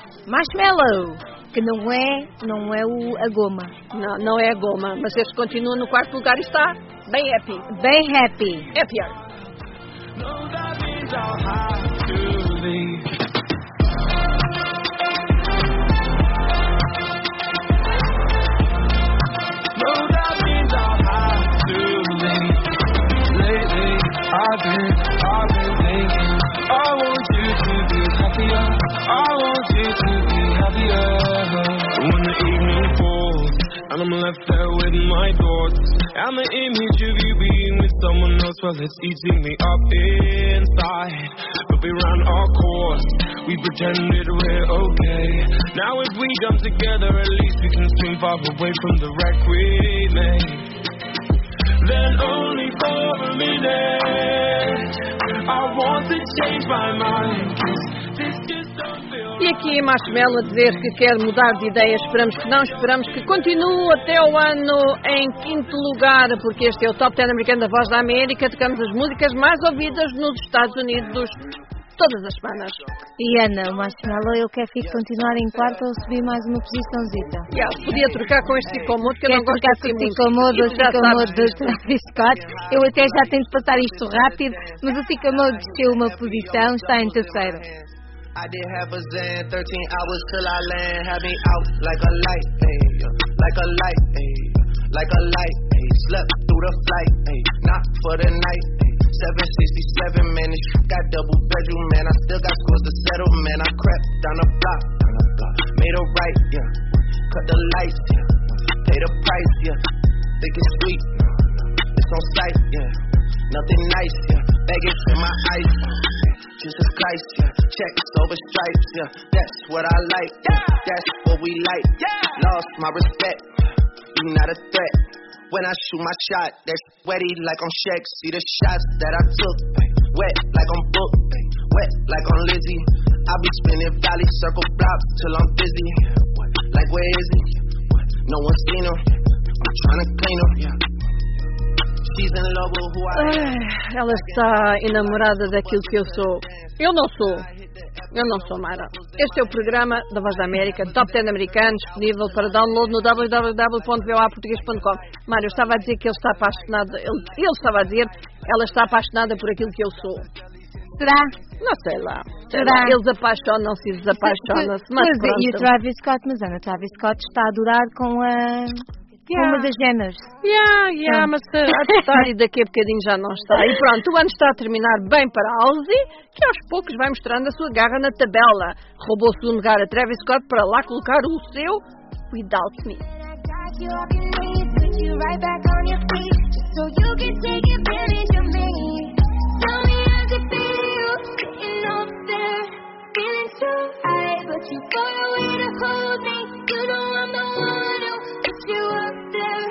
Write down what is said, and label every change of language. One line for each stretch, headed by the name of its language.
Portuguese: Marshmallow, que não é a goma. Não é a goma, mas este continua no quarto lugar e está bem happy. Bem happy.
English: Happier. No, that means I'll have to leave. No, that means I'll have to leave. Lately, I've been thinking, I want you to be happier. I want you to be happier. When the evening falls, and I'm left there with my thoughts, and the image of you being with someone else, well, it's eating me up inside. But we ran our course, we pretended we're okay. Now if we jump together, at least we can swim far away from the wreck we made. Then only for a minute, I want to change my mind.
Portuguese: E aqui a Marshmallow a dizer que quer mudar de ideia. Esperamos que não, esperamos que continue até o ano em quinto lugar, porque este é o Top 10 americano da Voz da América. Tocamos as músicas mais ouvidas nos Estados Unidos todas as semanas. E Ana, o Marshmallow, ele quer continuar em quarto ou subir mais uma posiçãozita? Yeah, podia trocar com este Cicomodo, que eu não gosto de assim muito. Cicomodo, Cicomodo de Travis Scott. Eu até já tento passar isto rápido, mas o Cicomodo desceu uma posição, está em terceiro.
English: I did half a zen, 13 hours till I land. Had me out like a light, ay, like a light, ay, like a light, ay. Slept through the flight, ay, not for the night, ay. 767 minutes, got double bedroom, man. I still got scores to settle, man. I crept down the block, and I got, made a right, yeah. Cut the lights, yeah. Pay the price, yeah. Think it's sweet, it's on sight, yeah. Nothing nice, yeah. Baggage in my eyes, Jesus Christ, yeah. Checks over stripes, yeah. That's what I like, yeah. That's what we like, yeah. Lost my respect, you not a threat. When I shoot my shot, they're sweaty like on Shaq. See the shots that I took, wet like on Book, wet like on Lizzie. I be spinning valley circle blocks till I'm busy. Like where is he? No one's seen him. I'm trying to clean him, yeah.
Portuguese: Ela está enamorada daquilo que eu sou. Eu não sou. Eu não sou, Mara. Este é o programa da Voz da América, Top 10 americano, disponível para download no www.voaportugues.com. Mara, eu estava a dizer que ele está apaixonado. Ele estava a dizer que ela está apaixonada por aquilo que eu sou. Será? Não sei lá. Será? Eles apaixonam-se e desapaixonam-se. Mas e o Travis Scott? Mas Ana, Travis Scott está a durar com a... Yeah. Uma das genas. Yeah, mas há de estar e daqui a bocadinho já não está. E pronto, o ano está a terminar bem para a Halsey, que aos poucos vai mostrando a sua garra na tabela. Roubou-se um lugar a Travis Scott para lá colocar o seu Without Me.
English: You don't want no one who picks you up there.